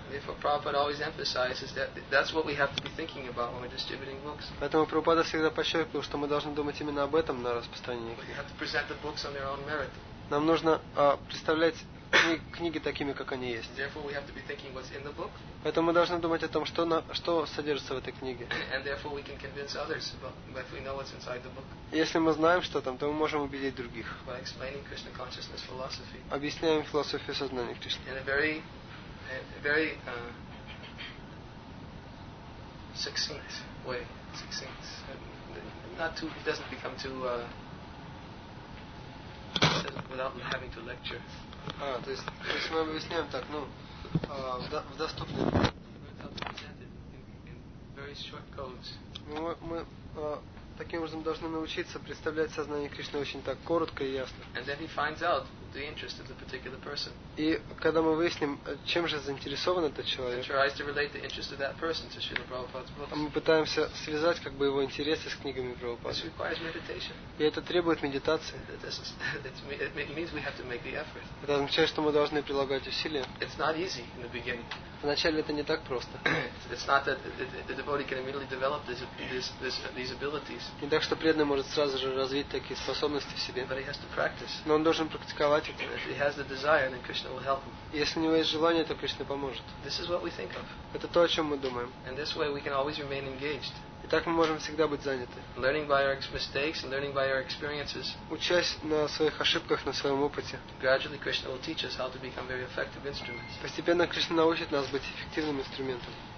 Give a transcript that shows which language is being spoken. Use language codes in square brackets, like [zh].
[en] Therefore, Prabhupada always emphasizes that that's what we have to be thinking about when we're distributing books. [ru] Поэтому Прабхупада всегда подчеркивал, что мы должны думать именно об этом на распространении. [en] We have to present the books on their own merit. [ru] Нам нужно представлять книги такими, как они есть. [en] Therefore, we have to be thinking what's in the book. [ru] Поэтому мы должны думать о том, что содержится в этой книге. [en] And therefore, we can convince others if we know what's inside the book. [ru] Если мы знаем, что там, то мы можем убедить других. [en] By explaining Krishna consciousness philosophy. [ru] Объясняем философию сознания Кришны. [en] In a very, very succinct way. Succinct. Not too. It doesn't become too. Without having to lecture. [ru] То есть мы объясняем так, в доступной. [en] In very short codes. [ru] Таким образом, должны научиться представлять сознание Кришны очень так коротко и ясно. [en] And then he finds out the interest of the particular person. [ru] И когда мы выясним, чем же заинтересован этот человек, [en] he tries to relate the interest of that person to Srila Prabhupada's books. [ru] Мы пытаемся связать как бы его интересы с книгами Прабхупады. [en] This requires meditation. [ru] И это требует медитации. [en] It means we have to make the effort. [ru] Это означает, что мы должны прилагать усилия. [en] It's not easy in the beginning. [ru] Вначале это не так просто. [en] It's not that the devotee can immediately develop these abilities. [ru] Не так, что преданный может сразу же развить такие способности в себе. [en] But he has to practice. [ru] Но он должен практиковать это. [en] If he has the desire, then Krishna will help him. [ru] Если у него есть желание, то Кришна поможет. [en] This is what we think of. [ru] Это то, о чем мы думаем. [en] And this way we can always remain engaged. [ru] И так мы можем всегда быть заняты. [en] Learning by our mistakes and learning by our experiences. [ru] Учась на своих ошибках, на своем опыте. [en] Gradually Krishna will teach us how to become very effective instruments. [ru] Постепенно Кришна научит нас быть эффективным инструментом.